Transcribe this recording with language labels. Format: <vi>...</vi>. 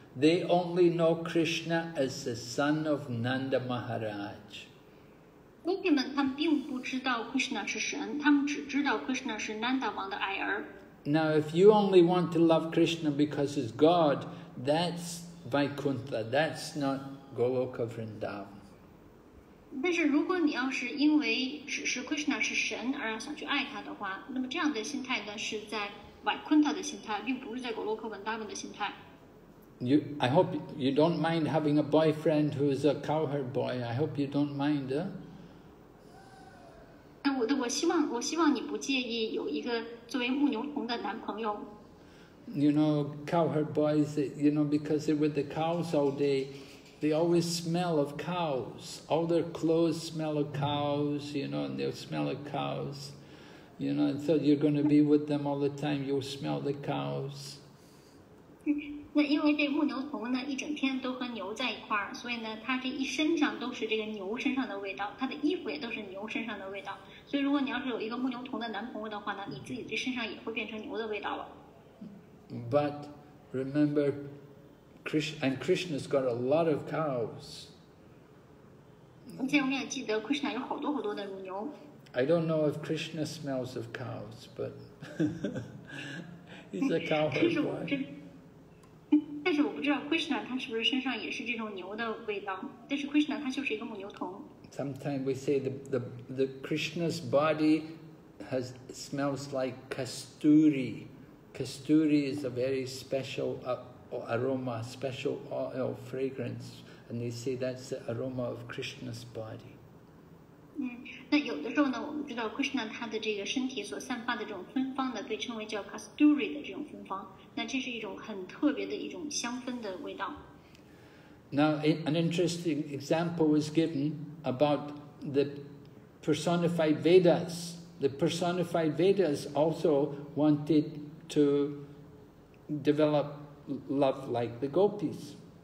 <en>They only know Krishna as the son of Nanda Maharaj.</en> <zh>Gopi 们他们并不知道 Krishna 是神，他们只知道 Krishna 是 Nanda 王的爱儿。</zh> <en>Now, if you only want to love Krishna because he's God, that's Vaikuntha. That's not Goloka Vrindavan.</en> <zh>但是如果你要是因为只是 Krishna 是神而想去爱他的话，那么这样的心态呢是在。</zh> <en>You, I hope you don't mind having a boyfriend who is a cowherd boy. I hope you don't mind, huh?</en> <zh>那我我希望你不介意有一个作为牧牛童的男朋友。</zh> <en>You know, cowherd boys, you know, because they're with the cows all day, they always smell of cows. All their clothes smell of cows, you know, and they'll smell of cows. You know, and so you're going to be with them all the time, you'll smell the cows.</en> <zh>那因为这牧牛童呢，一整天都和牛在一块儿，所以呢，他这一身上都是这个牛身上的味道，他的衣服也都是牛身上的味道。所以如果你要是有一个牧牛童的男朋友的话呢，你自己这身上也会变成牛的味道了。</zh> <en>But remember, Krishna's got a lot of cows.</en> <zh>而且我们也记得 ，Krishna 有好多好多的乳牛。</zh> <en>I don't know if Krishna smells of cows, but he's a cowherd boy.</en> <zh>但是我不知道 Krishna 他是不是身上也是这种牛的味道。但是 Krishna 他就是一个母牛童。</zh> <en>Sometimes we say the Krishna's body smells like kasturi. Kasturi is a very special aroma, special oil fragrance, and they say that's the aroma of Krishna's body.</en> <zh>那有的时候呢，我们知道 Krishna 他的这个身体所散发的这种芬芳呢，被称为叫 kasturi 的这种芬芳。那这是一种很特别的一种香氛的味道。</zh> <en>Now, an interesting example was given about the personified Vedas. The personified Vedas also wanted to develop love like the gopis.</en>